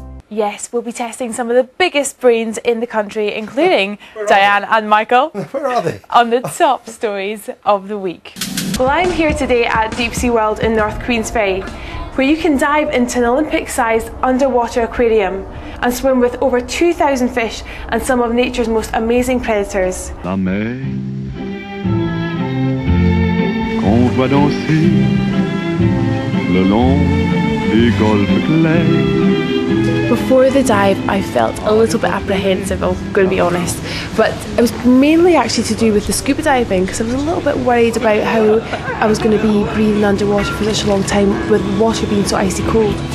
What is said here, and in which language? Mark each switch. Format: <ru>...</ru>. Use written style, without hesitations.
<en>Yes, we'll be testing some of the biggest brains in the country, including Diane and Michael. Where are they? On the top stories of the week. Well, I'm here today at Deep Sea World in North Queensferry, where you can dive into an Olympic-sized underwater aquarium and swim with over 2,000 fish and some of nature's most amazing predators.</en> <fr>La mer, qu'on voit danser le long des golfes clairs.</fr> <en>Before the dive, I felt a little bit apprehensive, I'm going to be honest. But it was mainly actually to do with the scuba diving, because I was a little bit worried about how I was going to be breathing underwater for such a long time with water being so icy cold.</en>